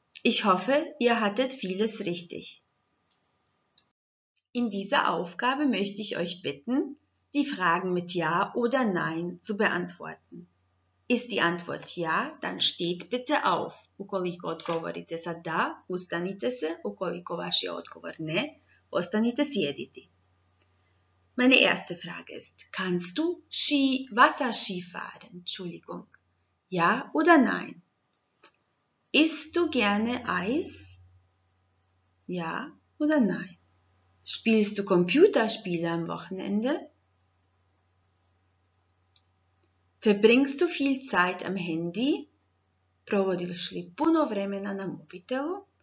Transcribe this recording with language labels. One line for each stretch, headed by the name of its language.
German: Ich hoffe, ihr hattet vieles richtig. In dieser Aufgabe möchte ich euch bitten, die Fragen mit Ja oder Nein zu beantworten. Ist die Antwort Ja, dann steht bitte auf.
Croatian: Ukoliko odgovorite sa da, ustanite se. Ukoliko vaš je odgovor ne, ostanite sjediti.
German: Meine erste Frage ist, kannst du Wasserski fahren? Entschuldigung. Ja oder nein? Isst du gerne Eis? Ja oder nein? Spielst du Computerspiele am Wochenende? Verbringst du viel Zeit am Handy?
Croatian: Provodiš li puno vremena na mobitelu?